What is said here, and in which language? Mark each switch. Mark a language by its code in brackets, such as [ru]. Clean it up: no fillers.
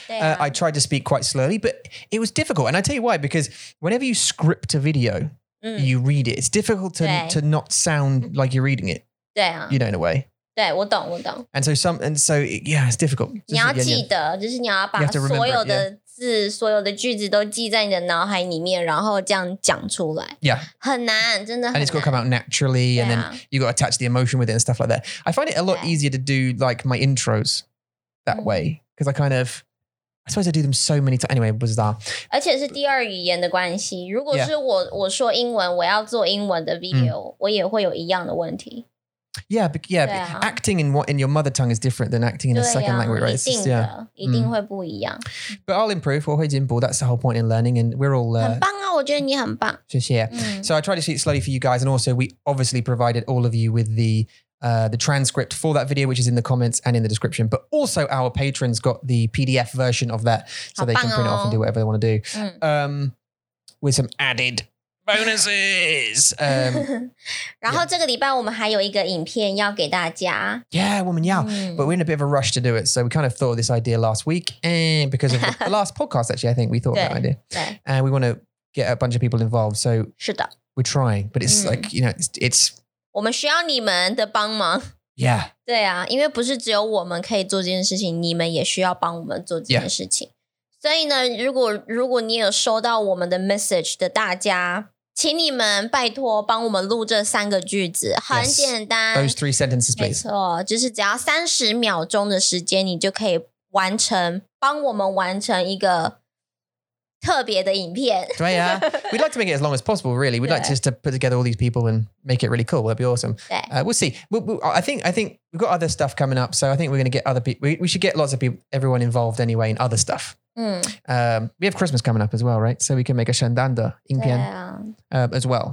[en] I tried to speak quite slowly, but it was difficult. And I tell you why, because whenever you script a video, you read it. It's difficult to not sound like you're reading it. [zh] 对啊, [en] you know, in a way. [zh] 对, 我懂。 [en] And so, it's difficult. [zh] 你要记得, 就是你要把所有的字, 所有的句子都记在你的脑海里面, 然后这样讲出来。 [en] Yeah. [zh] 很难, 真的很难。 [en] And it's got to come out naturally, and then you've got to attach the emotion with it and stuff like that. I find it a lot easier to do like my intros that way. Because I suppose I do them so many times. Anyway, it was that. [zh] 而且是第二语言的关系。如果是我说英文，我要做英文的 video，我也会有一样的问题。 [en] Yeah, but, yeah, but acting in your mother tongue is different than acting in a second language, right? [zh] 一定的，一定会不一样。 [en] But I'll improve, [zh] 我会进步。 [en] That's the whole point in learning, and we're all... [zh] 很棒啊，我觉得你很棒。谢谢。 [en] So I tried to speak slowly for you guys, and also we obviously provided all of you with the transcript for that video, which is in the comments and in the description, but also our patrons got the PDF version of that so they can print it off and do whatever they want to do. With some added bonuses. [zh] 然后这个礼拜我们还有一个影片要给大家。 [en] Yeah, [zh] 我们要。 [en] But we're in a bit of a rush to do it. So we kind of thought of this idea last week and because of the last podcast, actually, I think we thought of that idea. And we want to get a bunch of people involved. So [zh] 是的。 [en] We're trying, but it's like, you know, it's... [zh] 我们需要你们的帮忙。 [en] Yeah. [zh] 对啊，因为不是只有我们可以做这件事情，你们也需要帮我们做这件事情。 [en] Yeah. [zh] 所以呢，如果你有收到我们的 message 的大家，请你们拜托帮我们录这三个句子，很简单。 [en] Yes. Those three sentences, please. [zh] 没错，就是只要30秒钟的时间，你就可以完成，帮我们完成一个特别的影片。对啊。 [en] We'd like to make it as long as possible, really. We'd like just to put together all these people and make it really cool. That'd be awesome. We'll see. I think we've got other stuff coming up, so I think we're going to get other people. We should get lots of people, everyone involved anyway in other stuff. We have Christmas coming up as well, right? So we can make a Shandanda 影片as well.